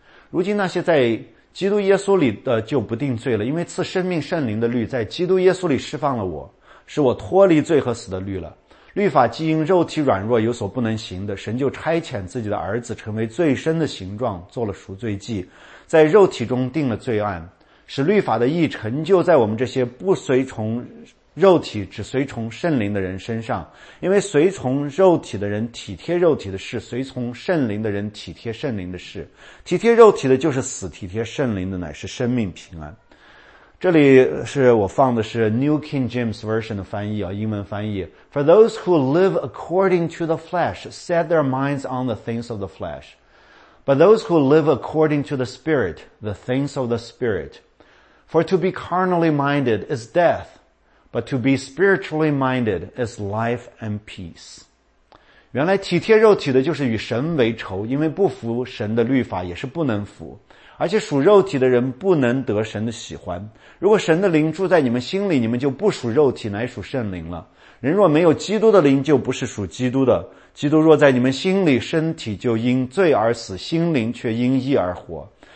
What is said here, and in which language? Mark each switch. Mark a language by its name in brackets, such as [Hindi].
[Chinese] 如今那些在基督耶稣里的就不定罪了，因为赐生命圣灵的律在基督耶稣里释放了我，使我脱离罪和死的律了。律法既因肉体软弱有所不能行的，神就差遣自己的儿子成为罪身的形状，做了赎罪祭，在肉体中定了罪案，使律法的义成就在我们这些不随从肉体只随从圣灵的人身上。因为随从肉体的人体贴肉体的事，随从圣灵的人体贴圣灵的事。体贴肉体的就是死，体贴圣灵的乃是生命平安。这里是我放的是 New King James Version 的翻译，英文翻译。 [English] For those who live according to the flesh set their minds on the things of the flesh, but those who live according to the Spirit, the things of the Spirit. For to be carnally minded is death, But to be spiritually minded is life and peace. [Chinese] 原来体贴肉体的就是与神为仇，因为不服神的律法也是不能服，而且属肉体的人不能得神的喜欢。如果神的灵住在你们心里，你们就不属肉体，乃属圣灵了。人若没有基督的灵，就不是属基督的。基督若在你们心里，身体就因罪而死，心灵却因义而活。